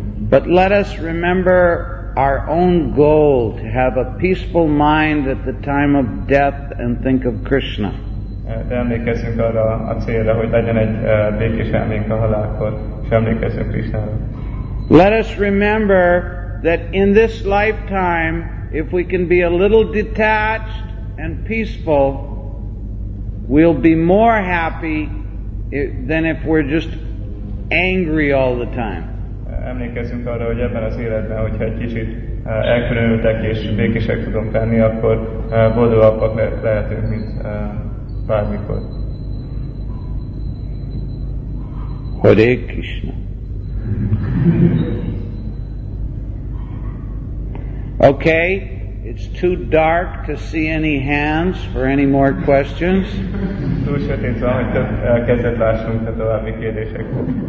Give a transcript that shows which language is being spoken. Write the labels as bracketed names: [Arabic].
[English] But let us remember our own goal to have a peaceful mind at the time of death and think of Krishna. [Hungarian] De emlékezzünk arra a célra, hogy legyen egy békés emlék a halálkor, és emlékezzünk Krisnára. [English] Let us remember that in this lifetime, if we can be a little detached and peaceful, we'll be more happy than if we're just angry all the time. [Hungarian] Emlékezzünk arra, hogy ebben az életben, hogyha egy kicsit elkülönültek és békések tudunk lenni, akkor boldogabbak lehetünk, mint bármikor. [English] Hare Krishna. Okay, it's too dark to see any hands for any more questions. [Hungarian] Túl sötét van, hogy kezdet lássunk a további kérdésekre.